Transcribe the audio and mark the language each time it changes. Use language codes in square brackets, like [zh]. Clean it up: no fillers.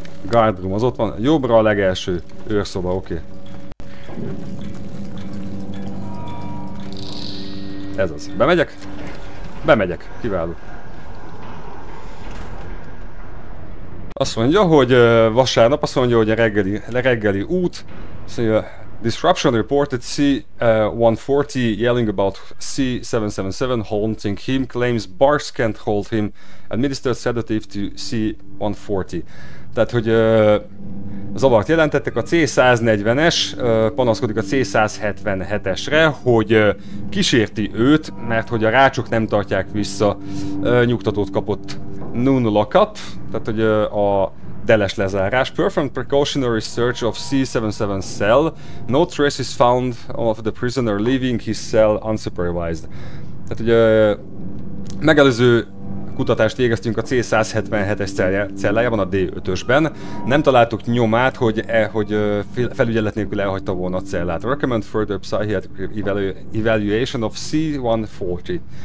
[hu] Guard room, az ott van. Jobbra a legelső őrszoba, oké. Ez az. Bemegyek? Bemegyek. Kiváló. Azt mondja, hogy vasárnap, azt mondja, hogy a reggeli út. Azt mondja, [en] disruption reported C-140 yelling about C-777 haunting him, claims bars can't hold him, administered sedative to C-140. [hu] Tehát, hogy zavart jelentettek, a C-140-es panaszkodik a C-177-esre, hogy kísérti őt, mert hogy a rácsok nem tartják vissza, nyugtatót kapott [en] noon lockup, [hu] tehát, hogy a deles lezárás. [en] Performed precautionary search of C-77 cell, no traces found of the prisoner leaving his cell unsupervised. [hu] Tehát, hogy megelőző kutatást végeztünk a C-177-es cellájában, a D-5-ösben. Nem találtuk nyomát, hogy felügyelet nélkül elhagyta volna a cellát. [en] Recommend further psychiatric evaluation of C-140.